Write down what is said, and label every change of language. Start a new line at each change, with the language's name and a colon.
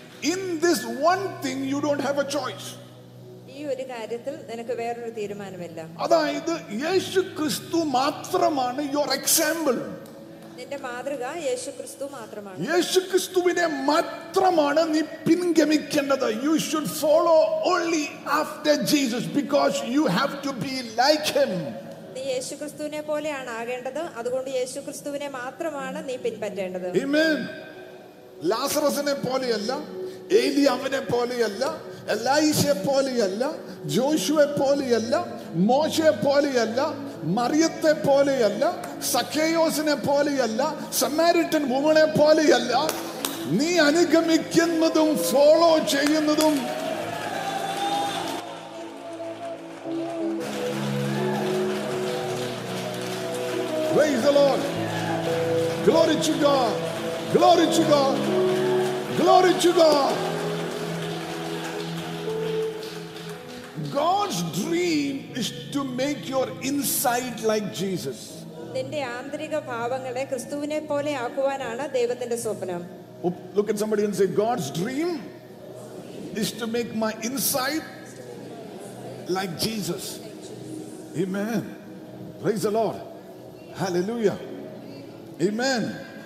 English: In this one thing you don't have a choice.
Malayalam: ഈ ഒരു കാര്യത്തിൽ നിനക്ക് വേറൊരു തീരുമാനമില്ല. അതായത് യേശു ക്രിസ്തു മാത്രമാണ്
English: your example.
Malayalam: നിന്റെ മാതൃക യേശു ക്രിസ്തു മാത്രമാണ്. യേശു ക്രിസ്തുവിനെ മാത്രമാണ് നീ പിൻഗമിക്കേണ്ടത്.
English: You should follow only after Jesus because you have to be like him.
Malayalam: നീ യേശു ക്രിസ്തുവിനെ പോലെയാണ് ആകേണ്ടത്. അതുകൊണ്ട് യേശു ക്രിസ്തുവിനെ മാത്രമാണ് നീ പിൻപറ്റേണ്ടത്.
English: Amen.
Malayalam: ലാസറസിനെ പോലെയല്ല, ഏലിയാവിനെ പോലെയല്ല, എലീശയെ പോലെയല്ല, ജോശുവെ പോലെയല്ല, മോശയെ പോലെയല്ല, മറിയത്തെ പോലെയല്ല, സക്കേയോസിനെ പോലെയല്ല, സമാരിറ്റൻ വുമണെ പോലെയല്ല. നീ അനുഗമിക്കുന്നതും ഫോളോ ചെയ്യുന്നതും
English: Praise the Lord. Glory to God. Glory to God. Glory to God. God's dream is to make your inside like Jesus.
Malayalam: നിന്റെ ആന്തരിക ഭാവങ്ങളെ ക്രിസ്തുവിനെ പോലെ ആക്കുവാനാണ് ദൈവത്തിന്റെ സ്വപ്നം.
English: Look at somebody and say, God's dream is to make my inside like Jesus. Amen. Praise the Lord. Hallelujah. Amen.